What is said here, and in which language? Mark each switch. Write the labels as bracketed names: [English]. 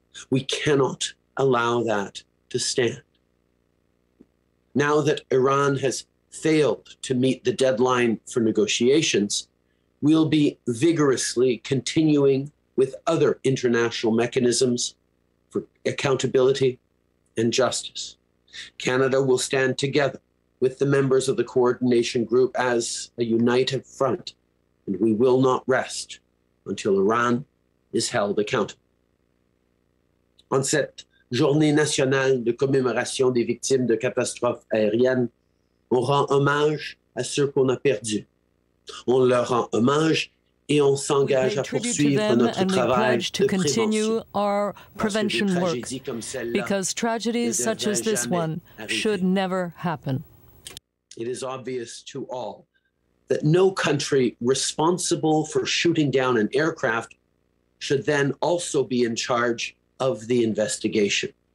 [English] We cannot allow that to stand. Now that Iran has failed to meet the deadline for negotiations, we'll be vigorously continuing with other international mechanisms for accountability and justice. Canada will stand together with the members of the coordination group as a united front, and we will not rest until Iran is held accountable. [French] On cette journée nationale de commémoration des victimes de catastrophes aériennes, on rend hommage à ceux qu'on a perdus. On leur rend hommage et on s'engage à poursuivre notre travail de prévention. [English] Because tragedies such as this one should never happen. It is obvious to all that no country responsible for shooting down an aircraft should then also be in charge of the investigation.